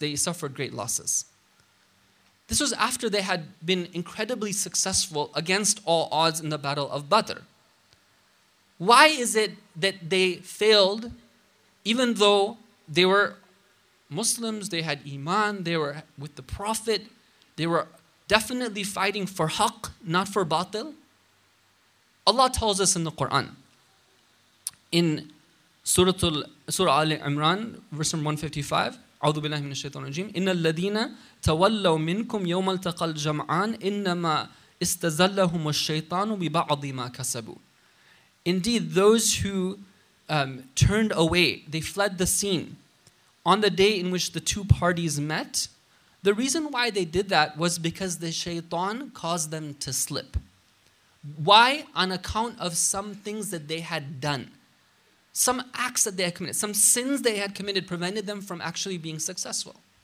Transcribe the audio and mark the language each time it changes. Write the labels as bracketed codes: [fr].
[en] They suffered great losses. This was after they had been incredibly successful against all odds in the Battle of Badr. Why is it that they failed even though they were Muslims, they had Iman, they were with the Prophet, they were definitely fighting for Haqq, not for Batil? Allah tells us in the Quran, in Surah Ali Imran, verse 155, [ar] أَعُوذُ بِاللَّهِ مِنَ الشَّيْطَانِ الرَّجِيمِ إِنَّ الَّذِينَ تَوَلَّوْا مِنْكُمْ يَوْمَ الْتَقَى الْجَمْعَانِ إِنَّمَا إِسْتَزَلَّهُمُ الشَّيْطَانُ بِبَعْضِ مَا كَسَبُوا. [en] Indeed, those who turned away, they fled the scene on the day in which the two parties met. The reason why they did that was because the shaitan caused them to slip. Why? On account of some things that they had done. Some acts that they had committed, some sins they had committed prevented them from actually being successful.